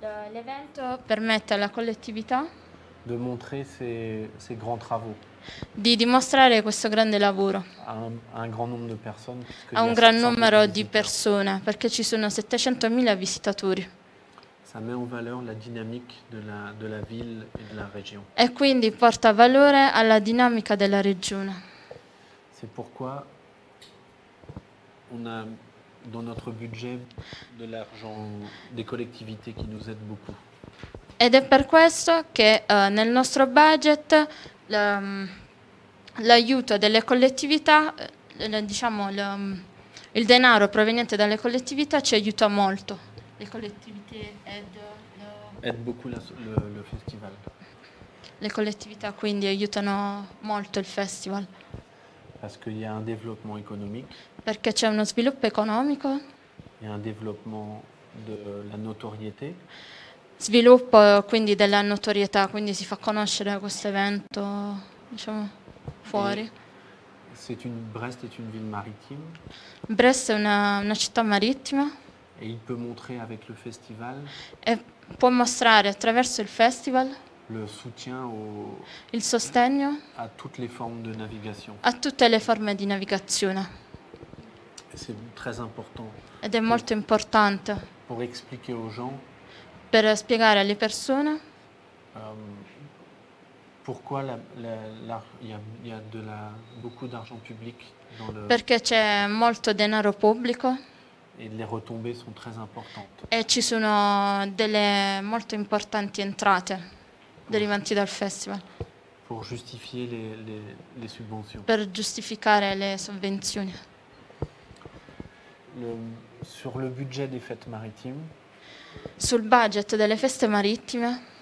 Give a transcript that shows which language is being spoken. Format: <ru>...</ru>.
<it>L'evento permette alla collettività.</it> <fr>De montrer ces grands travaux.</fr> <it>Di dimostrare questo grande lavoro.</it> <fr>A un grand nombre de personnes.</fr> <it>A un gran numero di persone perché ci sono 700.000 visitatori.</it> <fr>Ça met en valeur la dynamique de la ville et de la région.</fr> <it>E quindi porta valore alla dinamica della regione.</it> <fr>C'est pourquoi on a dans notre budget de l'argent des collectivités qui nous aident beaucoup.</fr> <it>Ed è per questo che nel nostro budget l'aiuto delle collettività, il denaro proveniente dalle collettività ci aiuta molto. Le collettività</it> <fr>aide beaucoup le festival.</fr> <it>Le collettività quindi aiutano molto il festival.</it> <fr>Parce qu'il y a un développement économique.</fr> <it>Perché c'è uno sviluppo economico.</it> <fr>Il y a un développement de la notoriété.</fr> <it>Sviluppo quindi della notorietà, quindi si fa conoscere questo evento, diciamo, fuori.</it> <fr>C'est une, Brest est une ville maritime.</fr> <it>Brest è una città marittima.</it> <fr>Et il peut montrer avec le festival.</fr> <it>E può mostrare attraverso il festival.</it> <fr>Le soutien au,</fr> <it>il sostegno.</it> <fr>À toutes les formes de navigation.</fr> <it>A tutte le forme di navigazione.</it> <fr>C'est très important.</fr> <it>Ed è molto importante.</it> <fr>Pour expliquer aux gens.</fr> <it>Per spiegare alle persone.</it> <fr>Pourquoi il y a de la beaucoup d'argent public dans le.</fr> <it>Perché c'è molto denaro pubblico.</it> <fr>Et les retombées sont très importantes.</fr> <it>E ci sono delle molto importanti entrate derivanti dal festival.</it> <fr>Pour justifier les subventions.</fr> <it>Per giustificare le sovvenzioni.</it> <fr>Sur le budget des fêtes maritimes.</fr> <it>Sul budget delle feste marittime.</it>